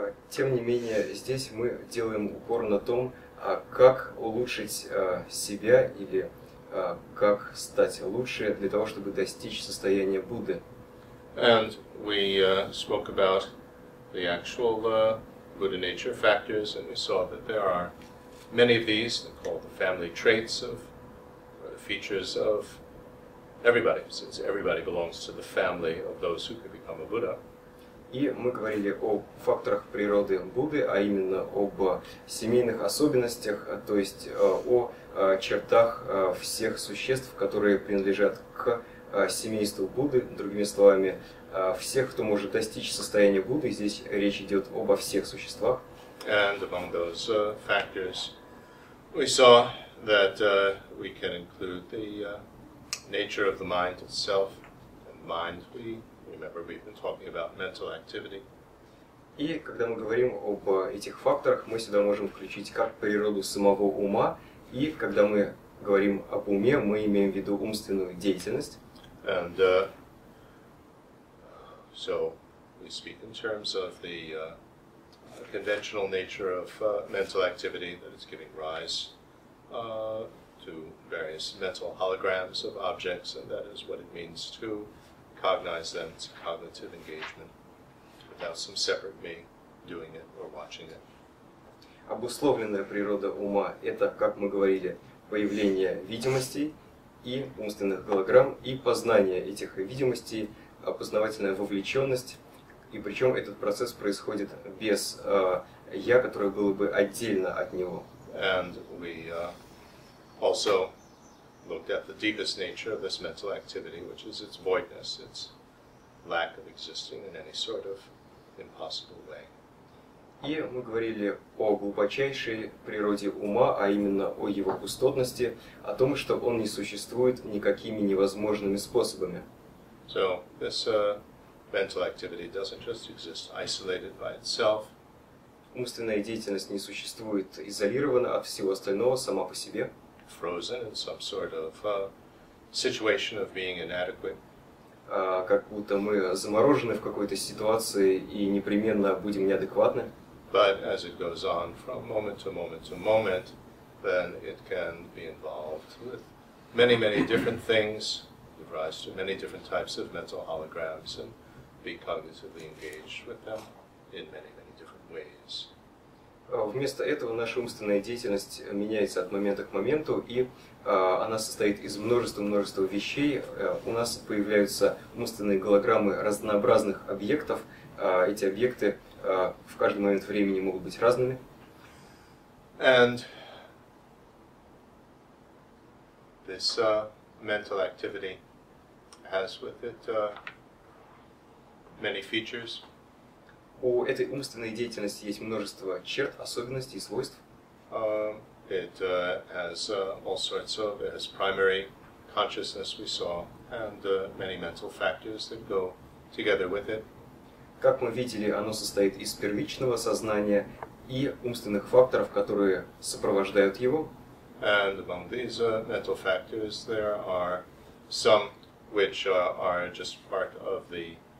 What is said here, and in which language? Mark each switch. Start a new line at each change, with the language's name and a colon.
Russian: Тем не менее, здесь мы делаем упор на том, как улучшить себя или как стать лучше для того, чтобы достичь состояния Будды.
English: And we spoke about the actual Buddha nature factors, and we saw that there are many of these, they're called the family traits of, or the features of everybody, since everybody belongs to the family of those who can become a Buddha.
Russian: И мы говорили о факторах природы Будды, а именно об семейных особенностях, то есть о чертах всех существ, которые принадлежат к семейству Будды. Другими словами, всех, кто может достичь состояния Будды, здесь речь идет обо всех существах.
English: And among those factors, we saw that we can include the nature of the mind itself, and mind, we remember we've been talking about mental activity.
Russian: И когда мы говорим об этих факторах, мы сюда можем включить как природу самого ума, и когда мы говорим об уме, мы имеем в виду умственную деятельность.
English: And so we speak in terms of the conventional nature of mental activity that is giving rise to various mental holograms of objects, and that is what it means to cognize them. It's a cognitive engagement without some separate me doing it or watching it.
Russian: Обусловленная природа ума — это, как мы говорили, появление видимостей и умственных голограмм, и познание этих видимостей, опознавательная вовлеченность, и причем этот процесс происходит без «я», которое было бы отдельно от него.
English: And we, also looked at the deepest nature of this mental activity, which is its voidness, its lack of existing in any sort of impossible way.
Russian: И мы говорили о глубочайшей природе ума, а именно о его пустотности, о том, что он не существует никакими невозможными способами.
English: So this mental activity doesn't just exist isolated by itself.
Russian: Умственная деятельность не существует изолированно от всего остального сама по себе.
English: Frozen in some sort of situation of being inadequate.
Russian: Как будто мы заморожены в какой-то ситуации и непременно будем неадекватны.
English: But as it goes on from moment to moment to moment, then it can be involved with many, many different things, give rise to many different types of mental holograms, and be cognitively engaged with them in many, many different ways.
Russian: Вместо этого наша умственная деятельность меняется от момента к моменту, и она состоит из множества-множества вещей. У нас появляются умственные голограммы разнообразных объектов. Эти объекты в каждый момент времени могут быть разными.
English: And this mental activity has with it many features.
Russian: У этой умственной деятельности есть множество черт, особенностей и свойств.
English: It has all sorts of, it has primary consciousness, we saw, and many mental factors that go together with it.
Russian: Как мы видели, оно состоит из первичного сознания и умственных факторов, которые сопровождают его.
English: And among these mental factors, there are some which are just part of the